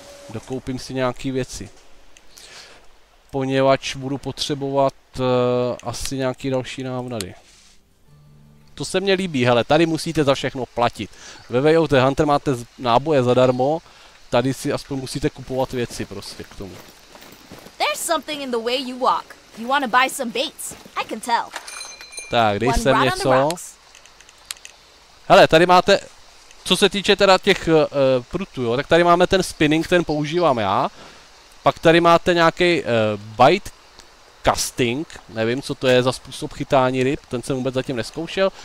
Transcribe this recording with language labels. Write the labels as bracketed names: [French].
[Czech] Dokoupím si nějaký věci. Poněvadž budu potřebovat asi nějaký další návnady. To se mně líbí, hele, tady musíte za všechno platit. Ve Way of the Hunter máte náboje zadarmo, tady si aspoň musíte kupovat věci prostě k tomu. [English] There's something in the way you walk. You want to buy some baits. I can tell. [Czech] Tak, dej sem něco. Hele, tady máte, co se týče teda těch prutů, jo, tak tady máme ten spinning, ten používám já. Pak tady máte nějaký bite casting, nevím, co to je za způsob chytání ryb, ten jsem vůbec zatím neskoušel.